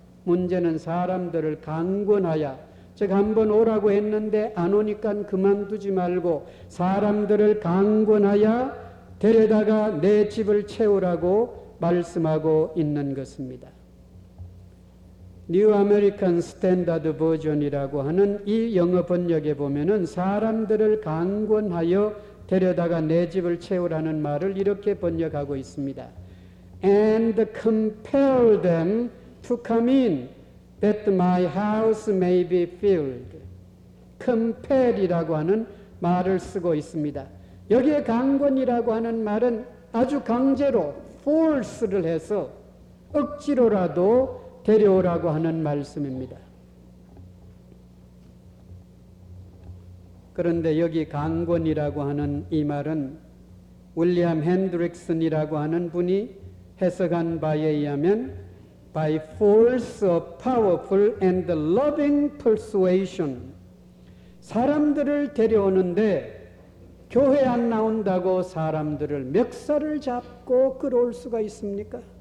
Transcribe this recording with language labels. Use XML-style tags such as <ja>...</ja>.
<ko>문제는 사람들을 강권하여, 즉 한번 오라고 했는데 안 오니까 그만두지 말고 사람들을 강권하여 데려다가 내 집을 채우라고 말씀하고 있는 것입니다. 뉴 아메리칸 스탠다드 버전이라고 하는 이 영어 번역에 보면은 사람들을 강권하여 데려다가 내 집을 채우라는 말을 이렇게 번역하고 있습니다.</ko> <en>And compel them to come in that my house may be filled.</en> <ko>Compel이라고 하는 말을 쓰고 있습니다. 여기에 강권이라고 하는 말은 아주 강제로 force를 해서 억지로라도 데려오라고 하는 말씀입니다. 그런데 여기 강권이라고 하는 이 말은 윌리엄 핸드릭슨이라고 하는 분이 해석한 바에 의하면</ko> <en>by force of powerful and loving persuasion,</en> <ko>사람들을 데려오는데 교회 안 나온다고 사람들을 멱살을 잡고 끌어올 수가 있습니까?</ko>